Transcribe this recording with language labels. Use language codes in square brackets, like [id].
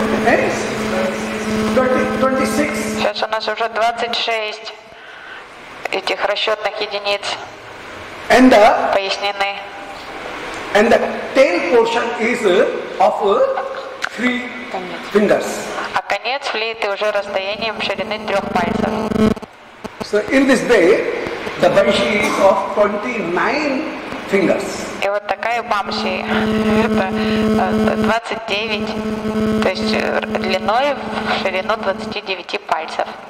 [ru] Сейчас у нас уже 26 этих расчетных единиц пояснены. [en] And the tail portion is of 3 fingers. [ru] А конец флейты уже расстоянием ширины 3 пальцев. [en] So in this way, the bamshi is of 29 fingers. [ru] И вот такая бамши, это 29, то есть длиной в ширину 29 пальцев.